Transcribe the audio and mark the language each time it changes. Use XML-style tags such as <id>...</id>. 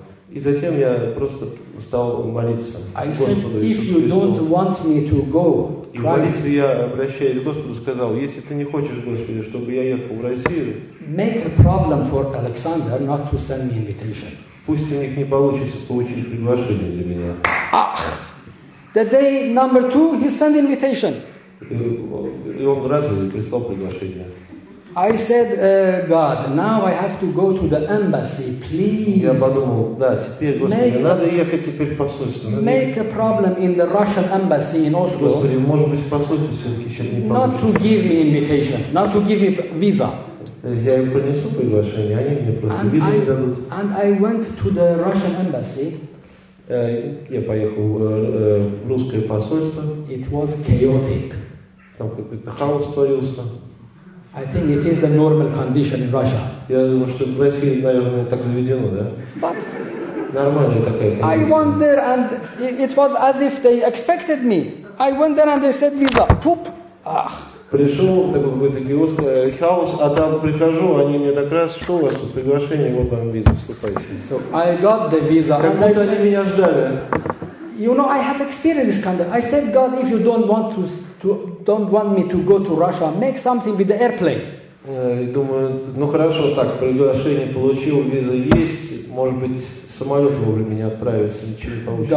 <ru>И затем я просто стал молиться</ru> <en>I</en> <ru>Господу</ru> <en>said, if you don't want me to go,</en> <ru>И в молитве я обращаюсь к Господу, сказал, если ты не хочешь, Господи, чтобы я ехал в Россию,</ru> <en>make a problem for Alexander not to send me invitation.</en> <ru>Пусть у них не получится получить приглашение для меня.</ru> <en>Ах! The day number two, he sent invitation.</en> <ru>И он раз и прислал приглашение.</ru> <en>I said, God, now I have to go to the embassy, please.</en> <ru>Я подумал, да, теперь, Господи, надо ехать теперь в посольство.</ru> <en>Make a problem in the Russian embassy in Oslo.</en> <ru>Господи, может быть, в посольстве все-таки еще не получится.</ru> <en>Not to give me invitation, not to give me visa.</en> <ru>Я им принесу приглашение, они мне просто визу не дадут.</ru> <en>And I went to the Russian embassy.</en> <ru>Я поехал в русское посольство.</ru> <en>It was chaotic.</en> <ru>Там какой-то хаос творился.</ru> <en>I think it is the normal condition in Russia.</en> <ru>Я думаю, что в России, наверное, так заведено, да?</ru> <en>But</en> <ru>нормальная такая</ru> <en>condition. I went there and it was as if they expected me. I went there and they said visa. Poop. Ah.</en> <ru>Пришел такой какой-то киоск, хаос, а там прихожу, они мне так раз, что у вас тут приглашение, вот вам виза, вступайте.</ru> <en>So I got the visa.</en> <ru>Как будто они меня ждали.</ru> <en>You know, I have experienced this kind of. I said, God, if you don't want me to go to Russia, make something with the airplane.</en> <ru>Думаю, ну хорошо, так приглашение получил, виза есть, может быть самолет вовремя не отправится, ничего не получится.</ru>